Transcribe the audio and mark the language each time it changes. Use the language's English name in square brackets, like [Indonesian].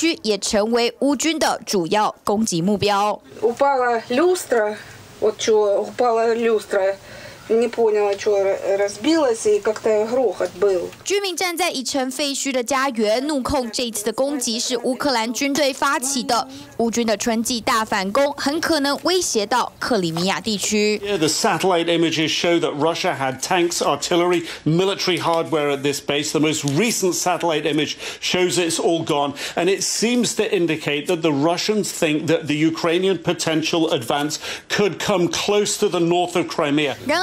[Chinese] 究竟是飞机太老旧，还是俄军训练有状况？但最近俄罗斯军队问题不断，二战区也成为乌军的主要攻击目标。 [Russian] Упала люстра, вот что упала люстра. Не поняла, что разбилось и как-то грохот был. [Chinese] 居民站在已成废墟的家园怒控这次的攻击是乌克兰军队发起的，乌军的春季大反攻很可能威胁到克里米亚地区。 [English] The satellite images show that Russia had tanks, artillery, military hardware at this base. The most recent satellite image shows it's all gone, and it seems to indicate that the Russians think that the Ukrainian potential advance could come close to the north of Crimea.